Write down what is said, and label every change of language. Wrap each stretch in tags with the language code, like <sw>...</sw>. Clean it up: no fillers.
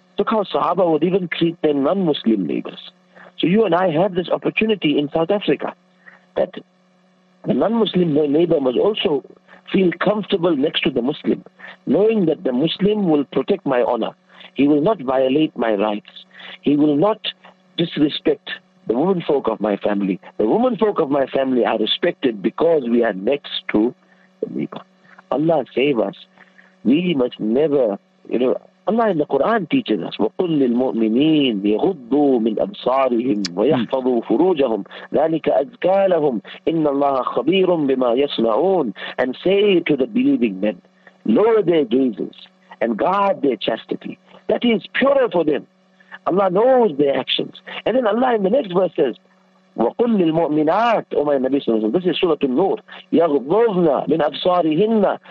<en>Look how Sahaba would even treat their non-Muslim neighbors. So you and I have this opportunity in South Africa that the non-Muslim neighbor must also feel comfortable next to the Muslim, knowing that the Muslim will protect my honor. He will not violate my rights. He will not disrespect the woman folk of my family. The woman folk of my family are respected because we are next to the neighbor. Allah save us. We must never, you know, Allah in the Quran teaches us,</en> <ar>وَقُلْ لِلْمُؤْمِنِينَ يَغُضُّوا مِنْ أَبْصَارِهِمْ وَيَحْفَظُوا فُرُوجَهُمْ ذَلِكَ أَزْكَى لَهُمْ إِنَّ اللَّهَ خَبِيرٌ بِمَا يَصْنَعُونَ.</ar> <en>And say to the believing men, lower their gazes and guard their chastity. That is purer for them. Allah knows their actions. And then Allah in the next verse says,</en> <ar>وَقُلْ لِلْمُؤْمِنَاتِ</ar> <en>O my Nabi Sallallahu Alaihi Wasallam, this is Surah An-Nur,</en> <ar>يَغْضُضْنَ مِنْ أَبْصَارِهِنَّ.</ar>